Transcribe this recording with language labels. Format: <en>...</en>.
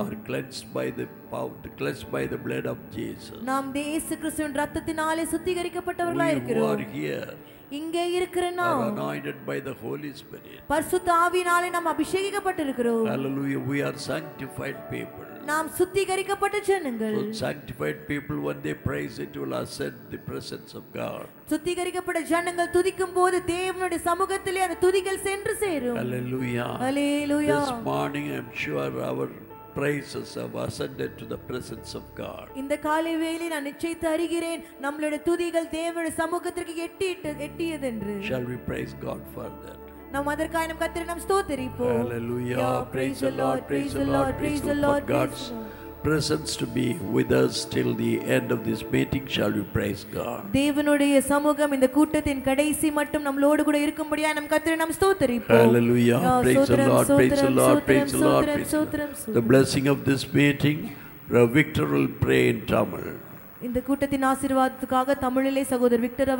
<en>are cleansed by the power, cleansed by the blood of Jesus.</en> <ta>நாம் இயேசு கிறிஸ்துவின் இரத்தத்தினாலே சுத்திகரிக்கப்பட்டவர்களாய் இருக்கிறோம். இங்கே இருக்கிற நாம்</ta> <en>are anointed by the Holy Spirit.</en> <ta>பரிசுத்த ஆவியினாலே நாம் அபிஷேகிக்கப்பட்டிருக்கிறோம்.</ta> <en>Hallelujah, we are sanctified people.</en> <ta>நாம் சுத்திகரிக்கப்பட்ட ஜனங்கள்.</ta> <en>So sanctified people, when they praise, it will ascend the presence of God.</en> <ta>சுத்திகரிக்கப்பட்ட ஜனங்கள் துதிக்கும் போது தேவனுடைய சமூகத்திலே அந்த துதிகள் சென்று சேரும்.</ta> <en>Hallelujah. Hallelujah. This morning I'm sure our praises have ascended to the presence of God.</en> <ta>இந்த காலை வேளை நான் நிச்சயத்தை அறிகிறேன், நம்மளுடைய துதிகள் தேவனுடைய சமூகத்திற்கு எட்டியது என்று.</ta> <en>Shall we praise God for that?</en> <ta>நம் அதற்காக நம் கர்த்தரிடம் ஸ்தோத்தரிப்போம்.</ta> <en>Hallelujah. Praise the Lord, praise the Lord, praise the Lord. God's presence to be with us till the end of this meeting. Shall we praise God?</en> <ta>தேவனுடைய சமூகம் இந்த கூட்டத்தின் கடைசி மட்டும் நம்மளோடு கூட இருக்கும்படியாக நம் கர்த்தரிடம் ஸ்தோத்தரிப்போம்.</ta> <en>Hallelujah. Praise the Lord, praise the Lord, praise the Lord, praise the Lord. The blessing of this meeting, Victor will pray in Tamil.</en> <ta>இந்த கூட்டத்தின் ஆசீர்வாதத்துக்காக தமிழிலே சகோதரர் விக்டர் அவர்கள்.</ta>